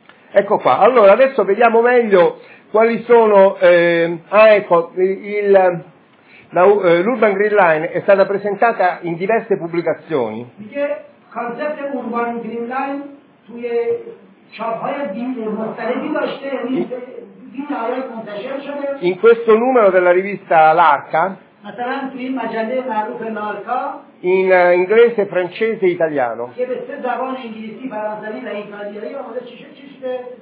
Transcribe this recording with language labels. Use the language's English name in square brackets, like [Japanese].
[Italian] Ecco qua, allora adesso vediamo meglio quali sono l'Urban Green Line è stata presentata in diverse pubblicazioni. [Persian] Concept Urban Green Line توی چاپ‌های مختلفی داشته، این دیتا منتشر شده. [Italian] In questo numero della rivista L'Arca. [Persian] مثلا توی این مجله معروف L'Arca. [Italian] In inglese, francese, italiano. Che per sé [Persian] زبان انگلیسی، فرانسوی و ایتالیایی و مدرسه